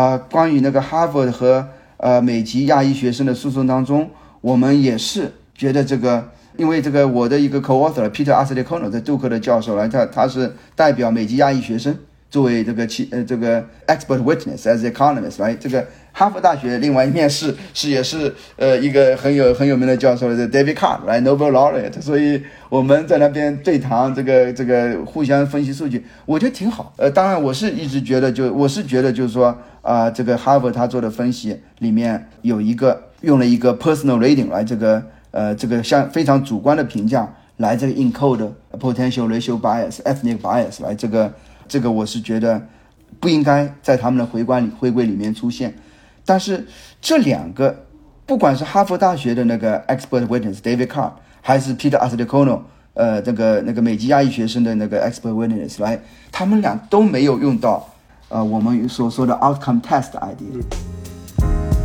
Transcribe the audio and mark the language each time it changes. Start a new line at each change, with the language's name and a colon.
Chinese: 关于那个 Harvard 和美籍亚裔学生的诉讼当中，我们也是觉得这个，因为这个我的一个 co-author Peter Arcidicono 在杜克的教授来，他是代表美籍亚裔学生作为这个
English: expert witness as economist，
Chinese: right？ 这个哈佛大学另外一面是也是一个很有名的教授，是 David Card， right？ Nobel laureate， 所以我们在那边对谈，这个互相分析数据，我觉得挺好。当然我是一直觉得就是说这个哈佛他做的分析里面有一个用了一个 personal rating， right？这个像非常主观的评价来这个
English: encode potential racial bias ethnic bias，
Chinese: right？这个我是觉得不应该在他们的回归里面出现，但是这两个，不管是哈佛大学的那个 expert witness David Card， 还是 Peter Arcidicono， 那个美籍亚裔学生的那个 expert witness， 来，他们俩都没有用到我们所说的 outcome test idea。